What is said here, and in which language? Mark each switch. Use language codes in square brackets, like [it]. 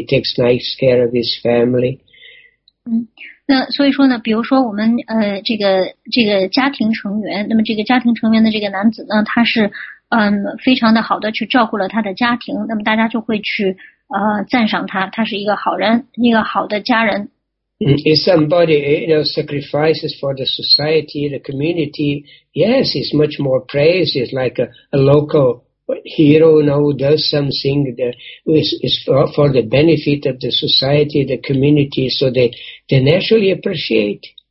[en] He takes nice care of his family. [zh] 那所以说呢，比如说我们这个家庭成员，那么这个家庭成员的这个男子呢，他是。非常的好的去照顾了他的家庭，那么大家就会去赞赏他，他是一个好人，一个好的家人。 [en] Is somebody, you know, sacrifices for the society, the community? Yes, it's much more praise. It's like a local hero, you know, who does something that is for the benefit of the society, the community, so they naturally appreciate.